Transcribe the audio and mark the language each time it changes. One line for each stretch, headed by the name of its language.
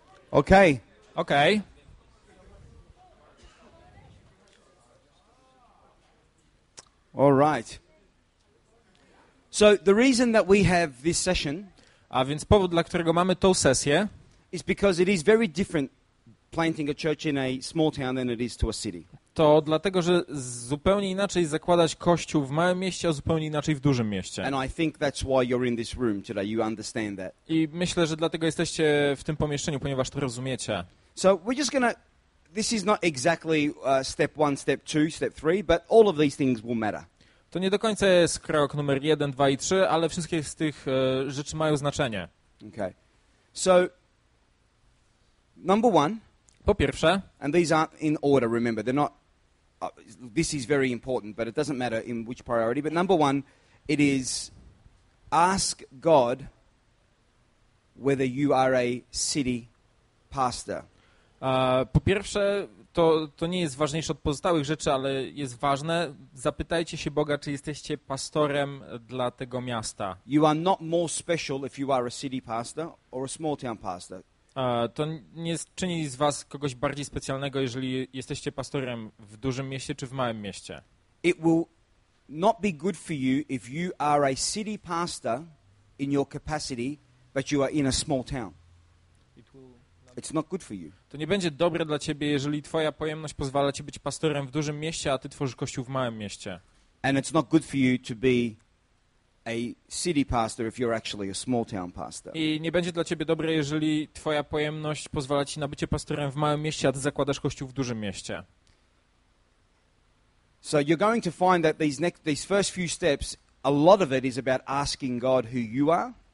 English: Okay. Okay. All right. So the reason that we have this session.
Polish: A więc powód, dla którego mamy tą sesję,
English: is because it is very different planting a church in a small town than it is to a city.
Polish: To dlatego, że zupełnie inaczej zakładać kościół w małym mieście, a zupełnie inaczej w dużym mieście.
English: And I think that's why you're in this room today. You understand that.
Polish: I myślę, że dlatego jesteście w tym pomieszczeniu, ponieważ to rozumiecie.
English: So we're just gonna. This is not exactly step one, step two, step three, but all of these things will matter.
Polish: To nie do końca jest krok numer 1, 2 i 3, ale wszystkie z tych rzeczy mają znaczenie.
English: Okay. So number one.
Polish: Po pierwsze.
English: And these aren't in order, remember. They're not this is very important, but it doesn't matter in which priority, but number one, it is ask God whether you are a city pastor.
Polish: Po pierwsze, To nie jest ważniejsze od pozostałych rzeczy, ale jest ważne. Zapytajcie się Boga, czy jesteście pastorem dla tego miasta.
English: You are not more special if you are a city pastor or a small town pastor.
Polish: To nie czyni z was kogoś bardziej specjalnego, jeżeli jesteście pastorem w dużym mieście czy w małym mieście.
English: It will not be good for you if you are a city pastor in your capacity, but you are in a small town. It's not good for you.
Polish: To nie będzie dobre dla ciebie, jeżeli twoja pojemność pozwala ci być pastorem w dużym mieście, a ty tworzysz kościół w małym mieście.
English: And it's not good for you to be a city pastor if you're actually a small town pastor.
Polish: I nie będzie dla ciebie dobre, jeżeli twoja pojemność pozwala ci na bycie pastorem w małym mieście, a ty zakładasz kościół w dużym mieście.
English: So you're going to find that these first few steps, a lot of it is about asking God who you are.